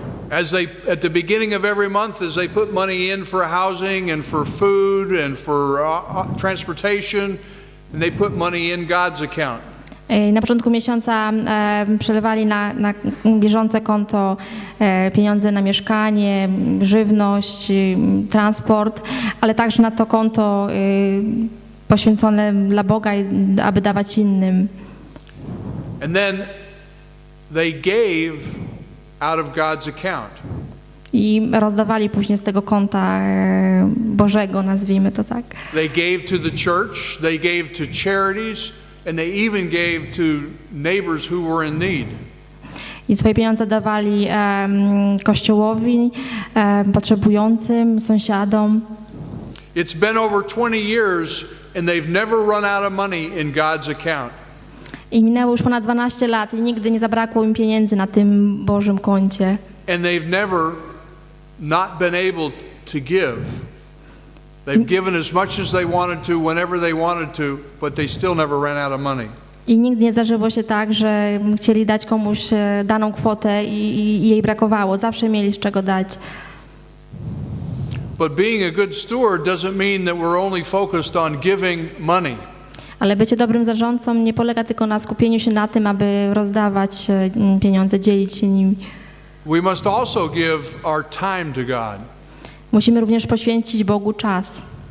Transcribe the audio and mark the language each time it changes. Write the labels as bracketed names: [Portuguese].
[English] As they at the beginning of every month, as they put money in for housing and for food and for transportation, and they put money in God's account. [Polish] Na początku miesiąca przelewali na bieżące konto pieniądze na mieszkanie, żywność, transport, ale także na to konto poświęcone dla Boga, aby dawać innym. [English] And then they gave out of God's account. [Polish] I rozdawali później z tego konta Bożego, nazwijmy to tak. [English] They gave to the church, they gave to charities, and they even gave to neighbors who were in need. [Polish] I swoje pieniądze dawali kościołowi, potrzebującym, sąsiadom. [English] It's been over 20 years and they've never run out of money in God's account. [Polish] I minęło już ponad 12 lat i nigdy nie zabrakło im pieniędzy na tym Bożym koncie. [English] And they've never not been able to give. They've given as much as they wanted to, whenever they wanted to, but they still never ran out of money. [Polish] I nigdy nie zdarzyło się tak, że chcieli dać komuś daną kwotę i jej brakowało. Zawsze mieli z czego dać. [English] But being a good steward doesn't mean that we're only focused on giving money. [Polish] Ale bycie dobrym zarządcą nie polega tylko na skupieniu się na tym, aby rozdawać pieniądze, dzielić się nimi. [English] We must also give our time to God. [Polish] Musimy również poświęcić Bogu czas.